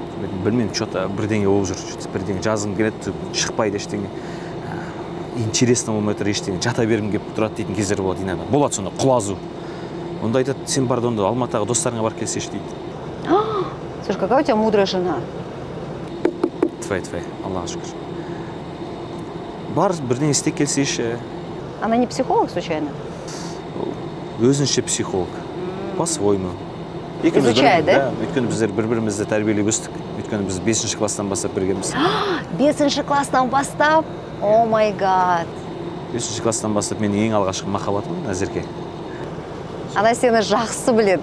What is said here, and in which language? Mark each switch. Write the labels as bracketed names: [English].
[Kazakh] Мен білмеймін, что-то бірдеңе болып жүр, бірдеңе жазғым келеді, шықпайды ештеңе. Интересно болмай тұр ештеңе, жата бергім келіп тұрады дейтін кездер болады иногда. Болады сонда құлазу. Онда айтады, сен бар онда Алматыға достарыңа барып келсеш дейді. [Russian] Сөз, какая у тебя мудрая жена. [Kazakh] Твай-твай, Аллаға шүкір. Бар бірдеңе істеп келсеш. [Russian] Она не психолог случайно? [Kazakh] Өзінше психолог. По-своему. [Russian] Изучает, да? [Kazakh] Өйткені біздер бір-бірімізді тәрбиелеп өстік. Өйткені біз 5-ші класстан бастап біргеміз. 5-ші класстан бастап? [English] О май гад. [Kazakh] 5-ші класстан бастап мен ең алғашқы махаббатым Назерке. Ана сені жақсы біледі,